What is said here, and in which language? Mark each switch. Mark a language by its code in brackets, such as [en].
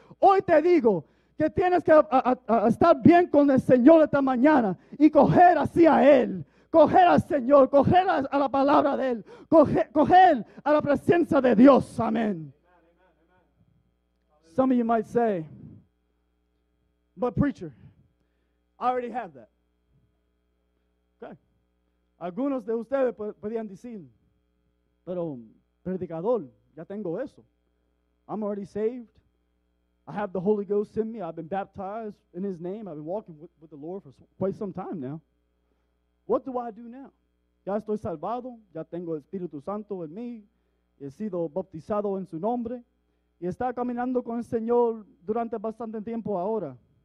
[es] Hoy te digo que tienes que estar bien con el Señor esta mañana y correr hacia Él. Coger al Señor, coger a la palabra de Él, coger a la presencia de Dios. Amén. [en] Some of you might say, but preacher, I already have that. Okay. [es] Algunos de ustedes podrían decir, pero predicador, ya tengo eso. [en] I'm already saved. I have the Holy Ghost in me. I've been baptized in His name. I've been walking with the Lord for quite some time now. What do I do now? [es] Ya estoy salvado, ya tengo el Espíritu Santo en mí, he sido bautizado en su nombre, y está caminando con el Señor durante bastante tiempo ahora.